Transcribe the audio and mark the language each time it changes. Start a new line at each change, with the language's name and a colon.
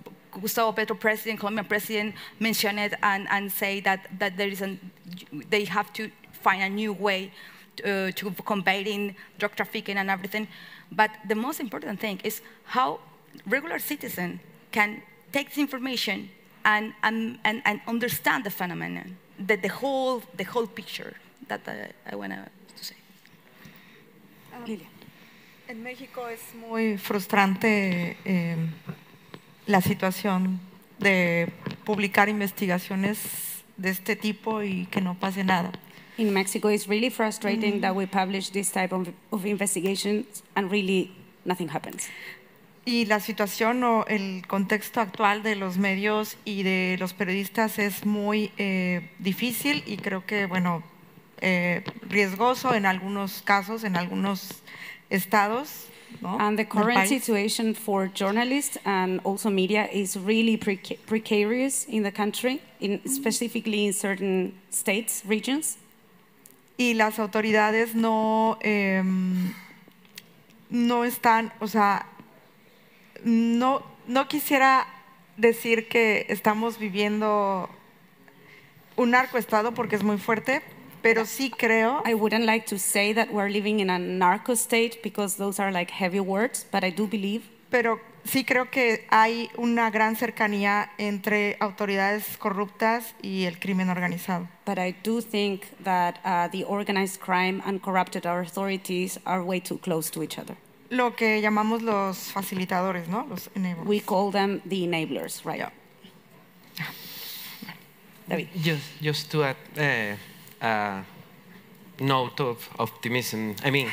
English: Gustavo Petro President, Colombian President, mentioned it and say that there is they have to find a new way to combating drug trafficking and everything. But the most important thing is how regular citizen can take this information and understand the phenomenon, the whole picture that I want to say. Lilia.
Spanish: En México es muy frustrante la situación de publicar investigaciones de este tipo y que no pase nada.
English: In Mexico, it's really frustrating that we publish this type of investigations and really nothing happens.
Spanish: Y la situación o el contexto actual de los medios y de los periodistas es muy difícil y creo que, bueno, riesgoso en algunos casos, en algunos estados, ¿no?
English: And the current situation for journalists and also media is really precarious in the country, in specifically in certain states, regions.
Spanish: Y las autoridades no están, o sea, No quisiera decir que estamos viviendo un narcoestado porque es muy fuerte, pero sí creo.
English: I wouldn't like to say that we're living in a narco state because those are like heavy words, but I do believe.
Spanish: Pero sí creo que hay una gran cercanía entre autoridades corruptas y el crimen organizado.
English: But I do think that the organized crime and corrupted authorities are way too close to each other.
Spanish: Lo que llamamos los facilitadores, ¿no? Los enablers.
English: We call them the enablers, right? Yeah. David. Just to add note of optimism. I mean,